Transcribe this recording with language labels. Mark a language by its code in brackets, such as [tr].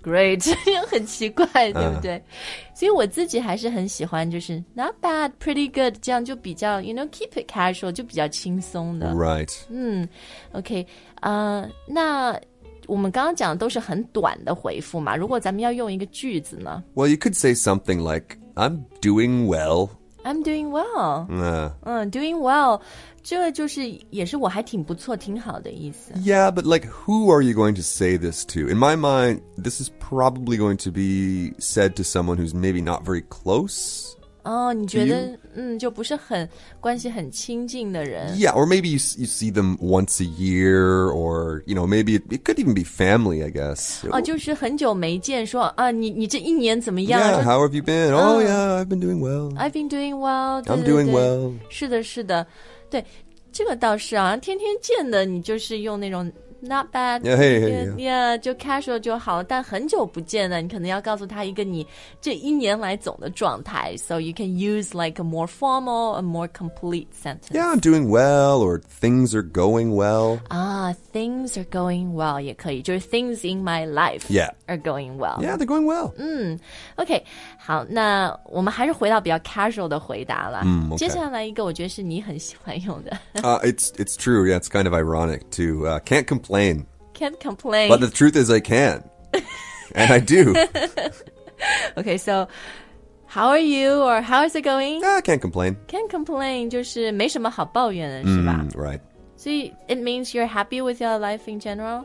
[zh] Great, 很奇怪，对不对？所以我自己还是很喜欢就是 [en] not bad, pretty good, [zh] 这样就比较 [en] you know, keep it casual, [zh] 就比较轻松的。 [en] Right. [zh] Okay, 我们刚刚讲的都是很短的回复嘛，如果咱们要用一个句子呢？ [en] Well, you could say something like, I'm doing well. I'm doing well. Doing well. [zh] 这就是也是我还挺不错挺好的意思。 [en] Yeah, but like, who are you going to say this to? In my mind, this is probably going to be said to someone who's maybe not very close. [zh] Oh, 你觉得就不是很关系很亲近的人。 [en] Yeah, or maybe you see them once a year, or, you know, maybe it could even be family, I guess. [zh] 就是很久没见说啊你这一年怎么样 [en] Yeah, how have you been? Oh, yeah, I've been doing well. I've been doing well. I'm doing well. [zh] 是的是的。对这个倒是啊天天见的你就是用那种 [en] not bad. Yeah, hey, hey, yeah, [zh] yeah, 就 casual 就好，但很久不见了，你可能要告诉他一个你这一年来总的状态。 [en] So you can use like a more formal, a more complete sentence. Yeah, I'm doing well, or things are going well. Ah, things are going well [zh] 也可以，就是 [en] things in my life are going well. Yeah, they're going well. [zh] 嗯 ，OK， 好，那我们还是回到比较 casual 的回答了。嗯、okay. 接下来一个我觉得是你很喜欢用的。 [en] It's true. Yeah, it's kind of ironic too. Can't complain. Can't complain. But the truth is, I can, and I do. Okay, so how are you, or how is it going? Can't complain. Can't complain [zh] 就是没什么好抱怨的，是吧？ [en] Right. So it means you're happy with your life in general.